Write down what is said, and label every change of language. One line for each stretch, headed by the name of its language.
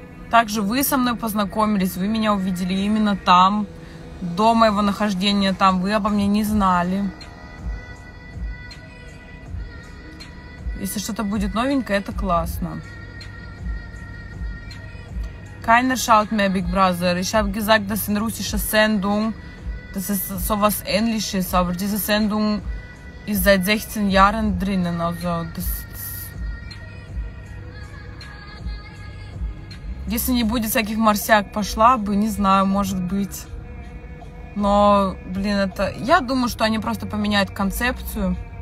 Russian: Также вы со мной познакомились, вы меня увидели именно там, до моего нахождения там, вы обо мне не знали. Если что-то будет новенькое, это классно.
German: Keiner schaut mehr Big Brother. Ich habe gesagt, dass in russischer Sendung, das ist sowas ähnliches, aber diese Sendung ist seit 16 Jahren drinnen, also das...
Russian: Если не будет всяких марсиак, пошла бы, не знаю, может быть. Но, блин, это... Я думаю, что они просто поменяют концепцию.